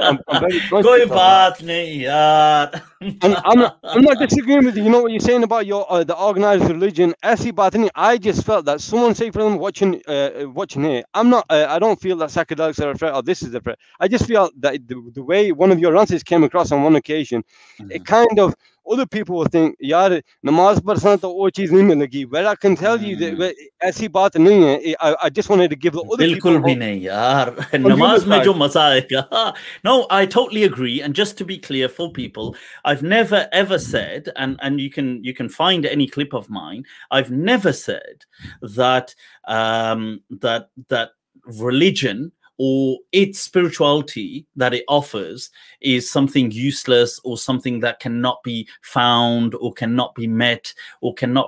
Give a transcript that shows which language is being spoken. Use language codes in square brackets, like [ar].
[en] I'm not disagreeing with you. You know what you're saying about your the organized religion, I just felt that someone say for them watching here, I don't feel that psychedelics are a threat or this is a threat. I just feel that the way one of your answers came across on one occasion, it kind of. Other people will think, [ur] yaar, namaz parsan to o cheez nahi milegi. [en] But I can tell you that [ur] aisi baat nahi hai. [en] I just wanted to give the other [ur] بالکل [en] people... [ur] بالکل بھی نہیں، یار۔ نماز میں جو مسا آئے گا۔ [en] No, I totally agree. And just to be clear for people, I've never ever said, and you can find any clip of mine, I've never said that that religion or its spirituality that it offers is something useless or something that cannot be found or cannot be met or cannot.